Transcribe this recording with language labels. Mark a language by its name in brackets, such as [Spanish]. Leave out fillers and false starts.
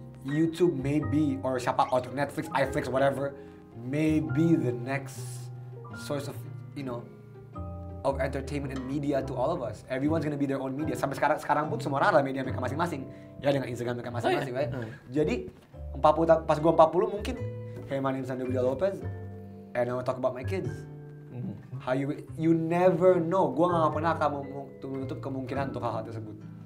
[English] YouTube maybe or siapa or Netflix, iFlix, whatever, maybe the next source of, you know, of entertainment and media to all of us. Everyone's gonna be their own media. [Indonesian] Sampai sekarang pun semua orang adalah media mereka masing-masing. Ya dengan Instagram mereka masing-masing, right? Jadi, pas gua 40 mungkin, [English] hey my name is Andovida Lopez, and I wanna talk about my kids. How you never know. [Indonesian] Gua gak pernah akan menutup kemungkinan untuk hal-hal tersebut.